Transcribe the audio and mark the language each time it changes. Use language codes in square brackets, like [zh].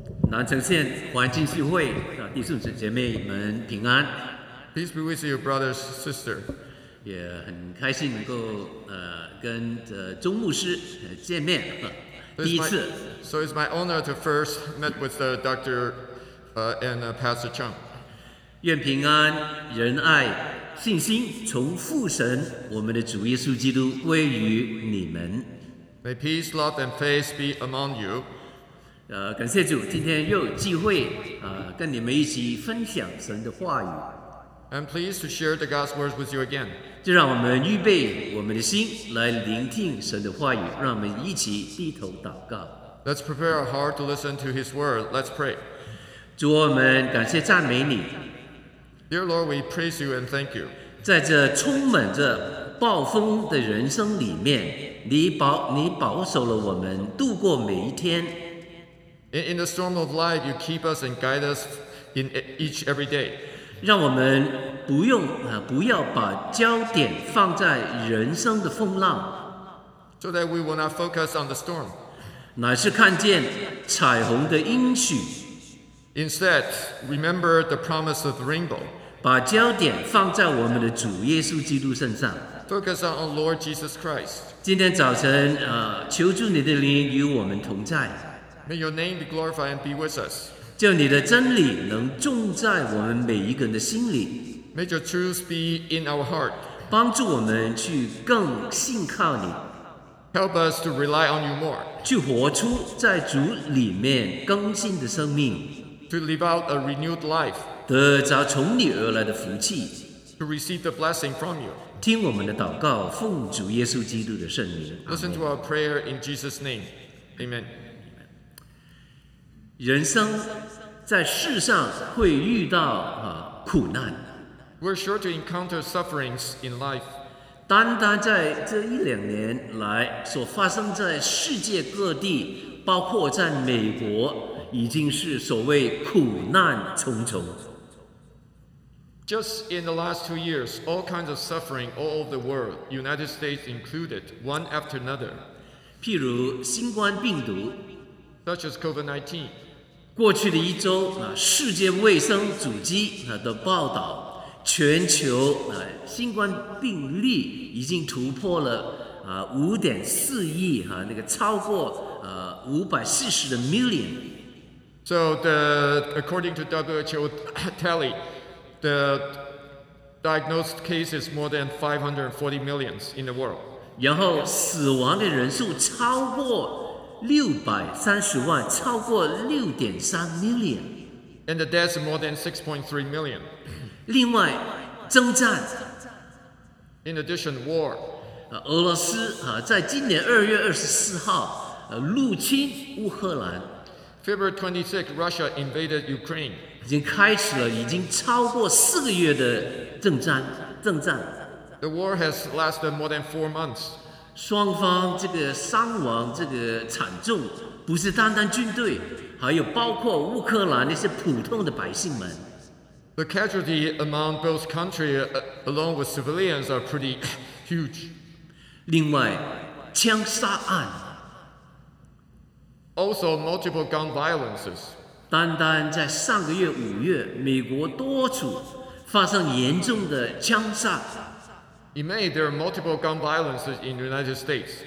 [zh] 南城县华安浸信会的弟兄姐妹们平安。 [en] Peace be with you, brothers, sister. [zh] 也很开心能够跟钟牧师见面，第一次。 [en] So it's my honor to first meet with the doctor and Pastor Chung. [zh] 愿平安、仁爱、信心从父神我们的主耶稣基督归于你们。 [en] May peace, love, and faith be among you. [zh] 感谢主，今天又有机会跟你们一起分享神的话语。 [en] I'm pleased to share the God's words with you again. [zh] 就让我们预备我们的心来聆听神的话语，让我们一起低头祷告。 [en] Let's prepare our heart to listen to His word. Let's pray. [zh] 主，我们感谢赞美你。 [en] Dear Lord, we praise you and thank you. [zh] 在这充满着暴风的人生里面，你保守了我们度过每一天。 [en] In the storm of life, you keep us and guide us in each every day. [zh] 让我们不要把焦点放在人生的风浪。 [en] So that we will not focus on the storm. [zh] 乃是看见彩虹的应许。 [en] Instead, remember the promise of the rainbow. [zh] 把焦点放在我们的主耶稣基督身上。 [en] Focus on our Lord Jesus Christ. [zh] 今天早晨，求助你的灵与我们同在。 [en] May your name be glorified and be with us. [zh] 叫你的真理能种在我们每一个人的心里。 [en] May your truth be in our heart. [zh] 帮助我们去更信靠你。 [en] Help us to rely on you more. [zh] 去活出在主里面更新的生命。 [en] To live out a renewed life. [zh] 得着从你而来的福气。 [en] To receive the blessing from you. [zh] 听我们的祷告，奉主耶稣基督的圣名。 [en] Listen to our prayer in Jesus' name. Amen. [zh] 人生在世上会遇到苦难。 [en] We're sure to encounter sufferings in life. [zh] 单单在这一两年来所发生在世界各地，包括在美国，已经是所谓苦难重重。 [en] Just in the last 2 years, all kinds of suffering all over the world, United States included, one after another. [zh] 譬如新冠病毒。 [en] Such as COVID-19. [zh] 过去的一周，世界卫生组织的报道，全球新冠病例已经突破了5.4亿，那个超过 [en] 540 million。 So the according to WHO tally, the diagnosed cases more than 540 million in the world. [zh] 然后死亡的人数超过630万，超过 [en] 6.3 million。 And the deaths more than 6.3 million. [zh] 另外，征战。 [en] In addition, war. [zh] 俄罗斯在今年2月24号入侵乌克兰。 [en] February 26, Russia invaded Ukraine. [zh] 已经开始了，已经超过4个月的征战。 [en] The war has lasted more than 4 months. [zh] 双方这个伤亡这个惨重，不是单单军队，还有包括乌克兰那些普通的百姓们。 [en] The casualty among both countries, along with civilians, are pretty huge. [zh] 另外，枪杀案。 [en] Also, multiple gun violences. [zh] 单单在上个月5月，美国多处发生严重的枪杀。 [en] In May, there are multiple gun violences in the United States.